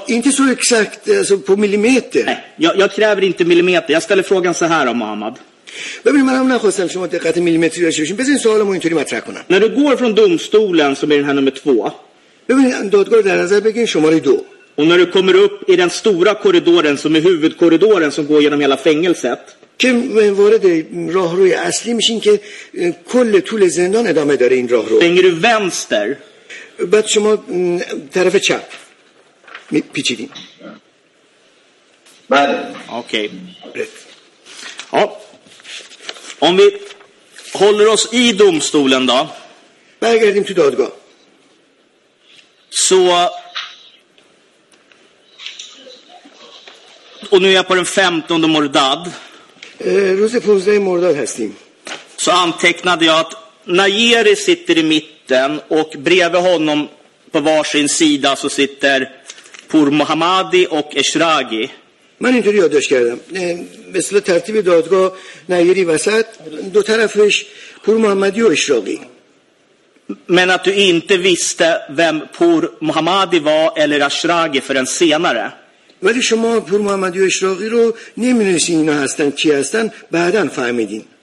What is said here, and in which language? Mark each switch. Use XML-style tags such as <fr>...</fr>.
<sv>inte så exakt alltså, på millimeter. Nej, jag kräver inte millimeter. Jag ställer frågan så här om Mohammed.</sv> <fa>ببینید من هم نخواستم شما دقت میلیمتری داشته باشیم. بزنید سوالمو اینطوری مطرح کنم.</fa> <sv>När du går från domstolen som är den här nummer 2.</sv> <fa>ببینید دادگاه در نظر بگیرید شماره 2.</fa> <sv>Och när du kommer upp i den stora korridoren som är huvudkorridoren som går genom hela fängelset.</sv> <fa>که وارد راهروی اصلی میشین که کل طول زندان ادامه داره این راهرو.</fa> <sv>Svänger du vänster.</sv> <fa>بعد شما طرف چپ پیچیدین. بله. اوکی. ها.</fa> <sv>Om vi håller oss i domstolen då. Bergärdin till dödgå. Så. Och nu är jag på den 15 Mordad. Rose Fonsday Mordad hästin. Så antecknade jag att Najeri sitter i mitten och bredvid honom på varsin sida så sitter Pur Mohammadi och Eshragi.</sv> <fa>من اینطوری یادش کردم مثل ترتیب دادگاه نیری وسط دو طرفش پور محمدی و اشراقی</fa> <sv>من att du inte visste vem پور محمدی var eller اشراقی förrän senare</sv> <fa>ولی شما پور محمدی و اشراقی رو نمی‌دونستین اینا هستن کی هستن بعداً فهمیدین</fa>